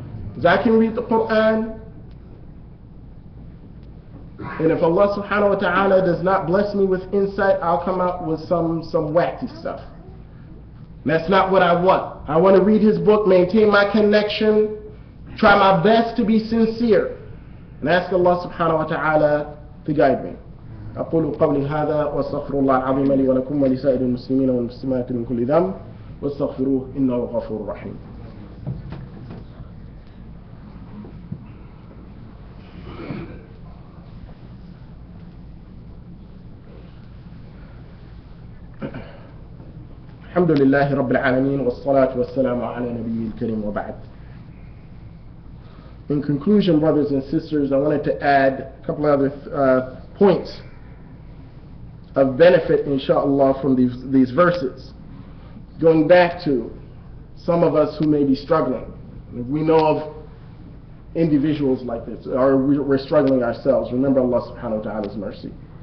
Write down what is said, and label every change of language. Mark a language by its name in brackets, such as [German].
[English] Because I can read the Quran, and if Allah subhanahu wa ta'ala does not bless me with insight, I'll come out with some wacky stuff. And that's not what I want. I want to read His book, maintain my connection, try my best to be sincere, and ask Allah subhanahu wa ta'ala to guide me. [Arabic] أقول قولي هذا واستغفر الله العظيم لي ولكم ولسائر المسلمين والمسلمات من كل ذنب واستغفروه إنه غفور رحيم. الحمد لله رب العالمين والصلاة والسلام على نبي الكريم وبعد. [English] In conclusion, brothers and sisters, I wanted to add a couple of other points. Of benefit, inshallah, from these verses. Going back to some of us who may be struggling, if we know of individuals like this, or we're struggling ourselves, remember Allah subhanahu wa ta'ala's mercy.